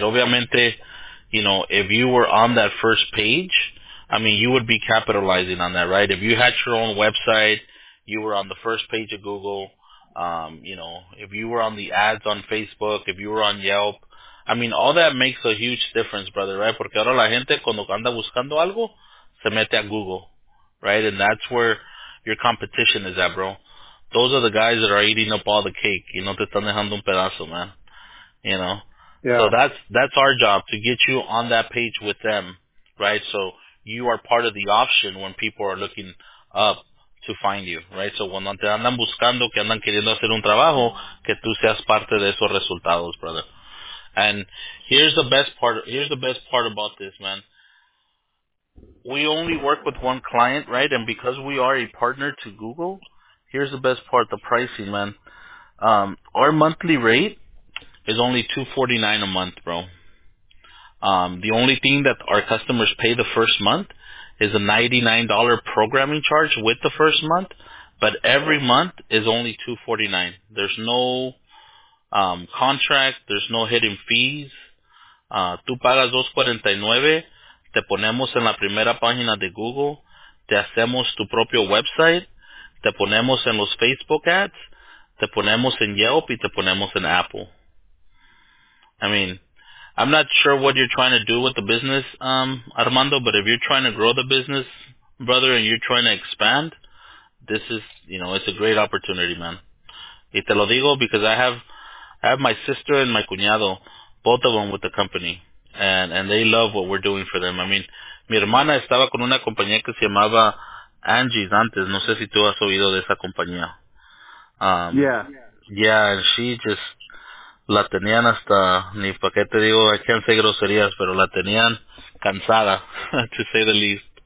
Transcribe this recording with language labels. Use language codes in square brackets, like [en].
[es] Obviamente, [en] you know, if you were on that first page, I mean, you would be capitalizing on that, right? If you had your own website, you were on the first page of Google, you know, if you were on the ads on Facebook, if you were on Yelp, I mean, all that makes a huge difference, brother, right? [es] Porque ahora la gente, cuando anda buscando algo, se mete a Google, right? [en] And that's where your competition is at, bro. Those are the guys that are eating up all the cake. You know, [es] te están dejando un pedazo, [en] man. You know? Yeah. So that's our job, to get you on that page with them, right? So you are part of the option when people are looking up to find you, right? [es] So cuando te andan buscando, que andan queriendo hacer un trabajo, que tú seas parte de esos resultados, brother. [en] And here's the best part about this, man. We only work with one client, right? And because we are a partner to Google, here's the best part, the pricing, man. Our monthly rate is only $249 a month, bro. The only thing that our customers pay the first month is a $99 programming charge with the first month, but every month is only $249. There's no contract, there's no hidden fees. [es] Tú pagas $249, te ponemos en la primera página de Google, te hacemos tu propio website, te ponemos en los Facebook ads, te ponemos en Yelp y te ponemos en Apple. [en] I mean, I'm not sure what you're trying to do with the business, Armando, but if you're trying to grow the business, brother, and you're trying to expand, this is, you know, it's a great opportunity, man. [es] Y te lo digo [en] because I have my sister and my [es] cuñado, [en] both of them with the company, and they love what we're doing for them. I mean, [es] mi hermana estaba con una compañía que se llamaba Angie's antes. No sé si tú has oído de esa compañía. [en] Yeah, and she just... [es] La tenían hasta, ni pa' qué te digo, [en] I can't say [es] groserías, pero la tenían cansada, [en] to say the least.